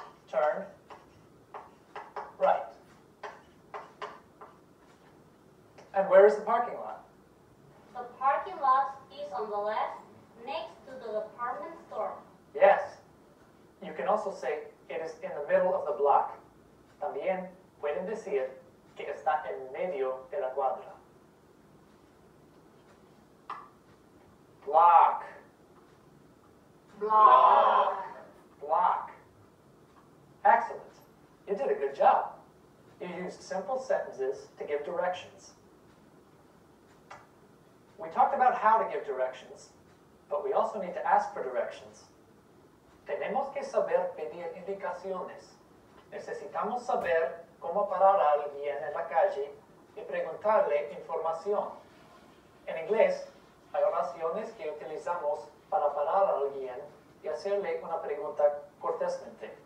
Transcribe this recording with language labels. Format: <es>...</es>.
<en>Turn right. And where is the parking lot? The parking lot is on the left, next to the department store. Yes. You can also say it is in the middle of the block.</en> <es>También pueden decir que está en medio de la cuadra.</es> <en>Block. Block. Block. Excellent. You did a good job. You used simple sentences to give directions. We talked about how to give directions, but we also need to ask for directions.</en> <es>Tenemos que saber pedir indicaciones. Necesitamos saber cómo parar a alguien en la calle y preguntarle información. En inglés, hay oraciones que utilizamos para parar a alguien y hacerle una pregunta cortésmente.</es>